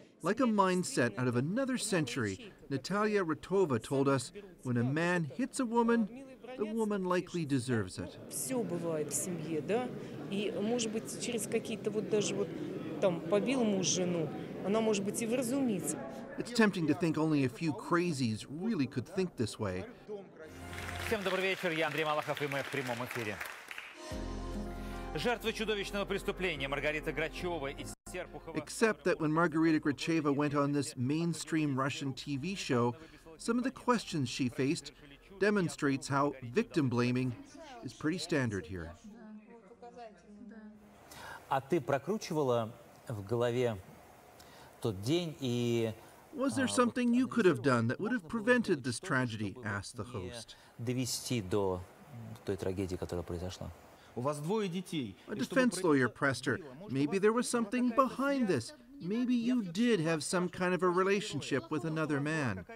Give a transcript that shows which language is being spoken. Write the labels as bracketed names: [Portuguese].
[English] Like a mindset out of another century, Natalia Ratova told us, when a man hits a woman, the woman likely deserves it. [Russian] Все бывает в семье, да? И, может быть, через какие-то вот даже вот там побил муж жену, она может быть и вразумится. [English] It's tempting to think only a few crazies really could think this way. [Russian] Всем добрый вечер. Я Андрей Малахов, и мы в прямом эфире. Жертвы чудовищного преступления Маргарита Грачева из Серпухова. [English] Except that when Маргарита Грачева went on this mainstream Russian TV show, some of the questions she faced demonstrates how victim blaming is pretty standard here. [Russian] А ты прокручивала в голове тот день и... [English] Was there something you could have done that would have prevented this tragedy, asked the host. A defense lawyer pressed her, maybe there was something behind this. Maybe you did have some kind of a relationship with another man.